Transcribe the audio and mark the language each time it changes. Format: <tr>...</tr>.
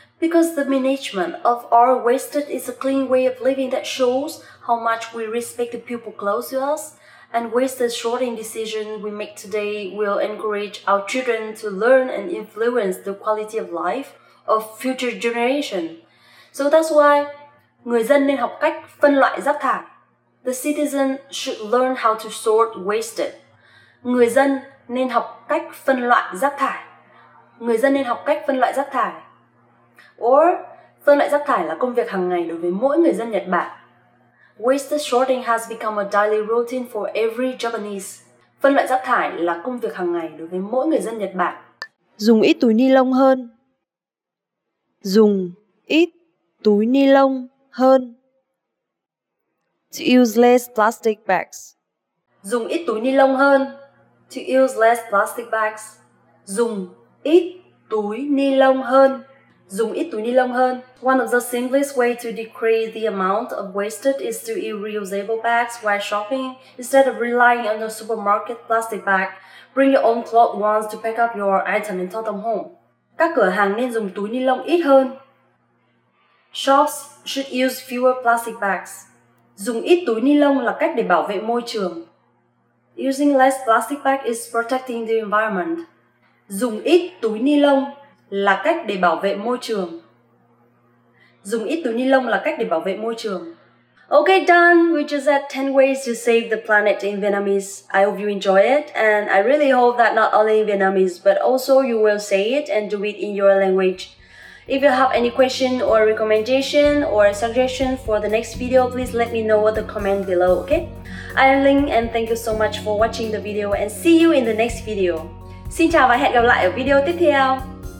<en>Because the management of our waste is a clean way of living that shows how much we respect the people close to us, and waste sorting decisions we make today will encourage our children to learn and influence the quality of life of future generations. So that's why</en> <vi>người dân nên học cách phân loại rác thải.</vi> <en>The citizen should learn how to sort waste.</en> <vi>Người dân nên học cách phân loại rác thải. Người dân nên học cách phân loại rác thải.</vi> <en>Or,</en> <vi>phân loại rác thải là công việc hàng ngày đối với mỗi người dân Nhật Bản.</vi> <en>Waste sorting has become a daily routine for every Japanese.</en> <vi>Phân loại rác thải là công việc hàng ngày đối với mỗi người dân Nhật Bản. Dùng ít túi ni lông hơn. Dùng ít túi ni lông hơn.</vi> <en>To use less plastic bags.</en> <vi>Dùng ít túi ni lông hơn.</vi> <en>To use less plastic bags.</en> <vi>Dùng ít túi ni lông hơn. Dùng ít túi ni lông hơn.</vi> <en>One of the simplest ways to decrease the amount of wasted is to use reusable bags while shopping instead of relying on a supermarket plastic bag. Bring your own cloth ones to pack up your item and tote them home.</en> <vi>Các cửa hàng nên dùng túi ni lông ít hơn.</vi> <en>Shops should use fewer plastic bags.</en> <vi>Dùng ít túi ni lông là cách để bảo vệ môi trường.</vi> <en>Using less plastic bag is protecting the environment.</en> <vi>Dùng ít túi ni lông là cách để bảo vệ môi trường. Dùng ít túi ni lông là cách để bảo vệ môi trường.</vi> <en>Okay, done. We just had 10 ways to save the planet in Vietnamese. I hope you enjoy it. And I really hope that not only in Vietnamese, but also you will say it and do it in your language. If you have any question or recommendation or a suggestion for the next video, please let me know in the comment below, okay? I am Linh and thank you so much for watching the video and see you in the next video.</en> <vi>Xin chào và hẹn gặp lại ở video tiếp theo.</vi>